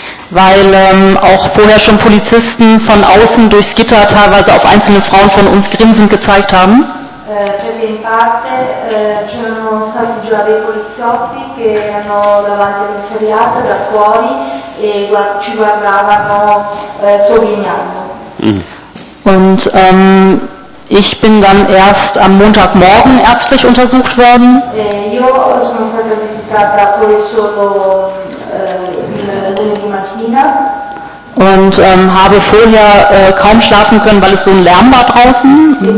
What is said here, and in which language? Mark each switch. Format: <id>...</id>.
<de>Weil auch vorher schon Polizisten von außen durchs Gitter teilweise auf einzelne Frauen von uns grinsend gezeigt haben.</de> <it>Perché in parte c'erano stati già dei poliziotti che erano davanti alle inferriate da fuori e ci guardavano sorvegliando.</it> <de>Und ich bin dann erst am Montagmorgen ärztlich untersucht worden.</de> <it>Io sono stata visitata poi solo lunedì mattina.</it> <de>Und habe vorher kaum schlafen können, weil es so ein Lärm war draußen.</de>